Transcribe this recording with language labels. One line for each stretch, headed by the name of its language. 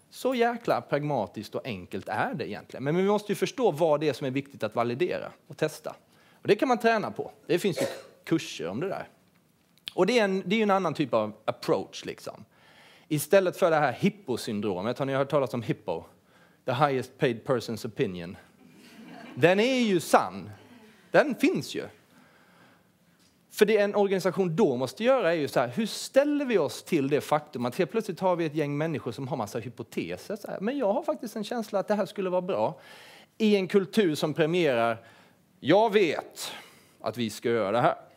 Swedish: Så jäkla pragmatiskt och enkelt är det egentligen. Men vi måste ju förstå vad det är som är viktigt att validera och testa. Och det kan man träna på. Det finns ju kurser om det där. Och det är ju en annan typ av approach liksom. Istället för det här hipposyndromet, har ni hört talas om hippo?
English: The highest paid person's opinion.
Swedish: Den är ju sann. Den finns ju. För det en organisation då måste göra är ju så här, hur ställer vi oss till det faktum att helt plötsligt har vi ett gäng människor som har massa hypoteser. Så här, men jag har faktiskt en känsla att det här skulle vara bra i en kultur som premierar, jag vet att vi ska göra det här.